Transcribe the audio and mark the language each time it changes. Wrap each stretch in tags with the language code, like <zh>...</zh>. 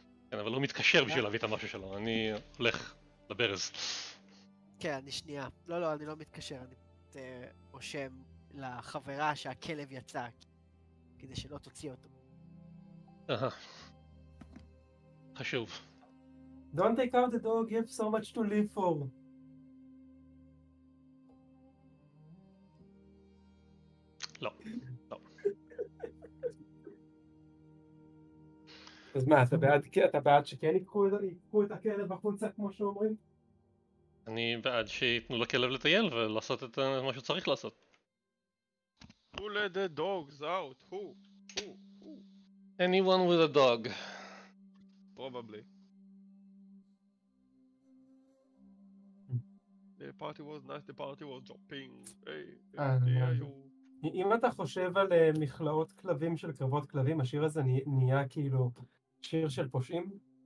<he>כן, אבל הוא מתקשר בשביל להביא את המשהו שלו. אני הולך לברז. כן, אני שנייה. לא, אני לא מתקשר, אני... רושם לחברה שהכלב יצא כדי שלא תוציא אותו. חשוב.</he> <en>Don't take out the dog, you have so much to live for.</en> <he>לא. אז מה, אתה בעד, אתה בעד שכן יקחו את הכלב בחוצה כמו שאומרים? אני בעד שיתנו לכלב לטייל ולעשות את מה שצריך לעשות.</he> <en>Who let the dogs out? Who? Who? Who? Anyone with a dog. Probably. The party was nice, the party was jumping. Hey,</en> <he>אם אתה חושב על מכלאות כלבים של קרבות כלבים, השיר הזה נהיה כאילו שיר של פושעים?</he>